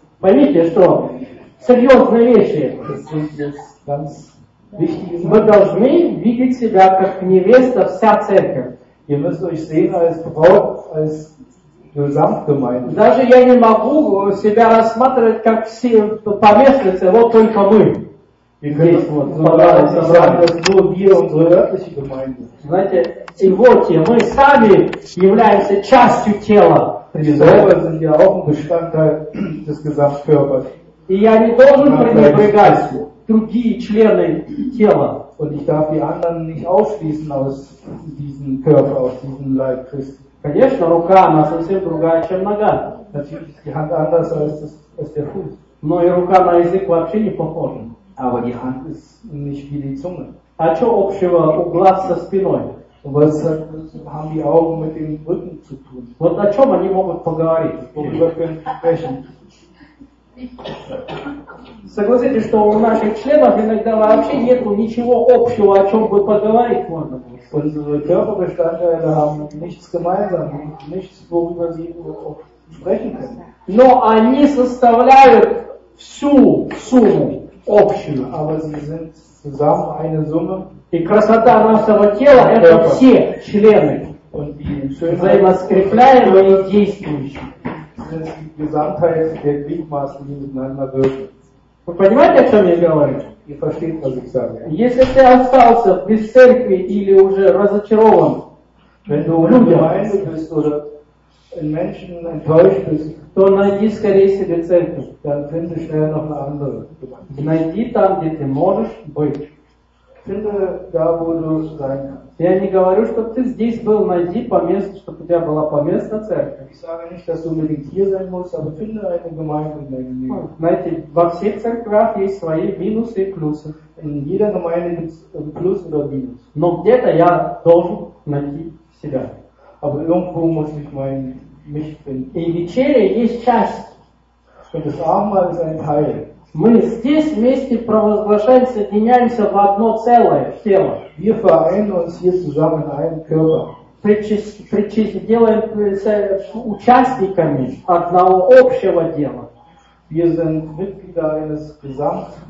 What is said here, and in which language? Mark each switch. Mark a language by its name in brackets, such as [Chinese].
[Russian] Понимаете, что серьезные вещи. Вы должны видеть себя как невеста, вся церковь. [German] Ihr müsst euch sehen als Braut, als Gesamtgemeinde. [Russian] Даже я не могу себя рассматривать как все поместницы, вот только мы. И знаете, и вот я, мы сами являемся частью тела. И я не должен пренебрегать другие члены тела. [German] Und ich darf die anderen nicht ausschließen aus diesem Körper, aus diesem Leib Christi. [Russian] Конечно, рука, она совсем другая, чем нога. [German] Die Hand anders als der Fuß. [Russian] Но и рука на язык вообще не похожа. [German] Aber die Hand ist nicht wie die Zunge. [Russian] А что общего у глаз со спиной? [German] Was haben die Augen mit dem Rücken zu tun? [Russian] Вот о чем они могут поговорить? [German] Worüber können sie sprechen? [Russian] Согласитесь, что у наших членов иногда вообще нет ничего общего, о чем бы поговорить можно было. [German] Unsere Körperbestandteile haben nichts gemeinsam, nichts, worüber sie sprechen können. [Russian] Но они составляют всю сумму общую. [German] Aber sie sind zusammen eine Summe. [Russian] И красота нашего тела – это все члены, взаимоскрепляемые и действующие. [German] Gesamtheit der Gliedmaßen, die miteinander wirken. [Russian] Вы понимаете, о чем я говорю? [German] Ihr versteht, was ich sage. [Russian] Если ты остался без церкви или уже разочарован, [German] Wenn du ungemein bist oder in Menschen enttäuscht bist, [Russian] то найди скорее себе церковь. [German] Dann finde schnell noch eine andere. [Russian] Найди там, где ты можешь быть. [German] Finde da, wo du sein kannst. [Russian] Я не говорю, чтобы ты здесь был, найди по месту, чтобы у тебя была по месту церковь. [German] Ich sage nicht, dass du unbedingt hier sein musst, aber finde eine Gemeinde in deinem Leben. [Russian] Знаете, во всех церквах есть свои минусы и плюсы. [German] In jeder Gemeinde gibt es Plus oder Minus. [Russian] Но где-то я должен найти себя. [German] Aber irgendwo muss ich mein mich finden. [Russian] И вечеря есть часть. [German] Und das Abendmahl ist ein Teil. [Russian] Мы здесь вместе провозглашаем, соединяемся в одно целое, в тело. [German] Wir vereinen uns hier zusammen in einem Körper. [Russian] Делаем участниками одного общего дела. [German] Wir sind Mitglieder eines Gesamt.